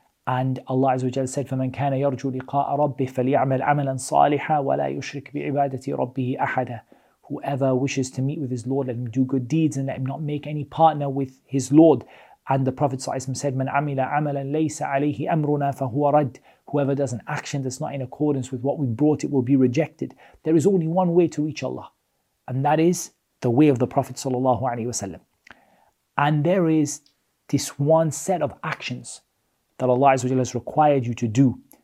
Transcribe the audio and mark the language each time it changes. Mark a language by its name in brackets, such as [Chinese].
[English] And Allah Azza wa Jalla said, [Arabic] فَمَنْ كَانَ يَرْجُوا لِقَاءَ رَبِّهِ فَلْيَعْمَلْ عَمَلًا صَالِحًا وَلَا يُشْرِكْ بِعِبَادَةِ رَبِّهِ أَحَدًا. [English] Whoever wishes to meet with his Lord, let him do good deeds and let him not make any partner with his Lord. And the Prophet said, [Arabic] مَنْ عَمِلَ عَمَلًا لَيْسَ عَلَيْهِ أَمْرُنَا فَهُوَ رَدْ. [English] Whoever does an action that's not in accordance with what we brought, it will be rejected. There is only one way to reach Allah, and that is the way of the Prophet sallallahu alaihi wasallam. And there is this one set of actions that Allah has required you to do.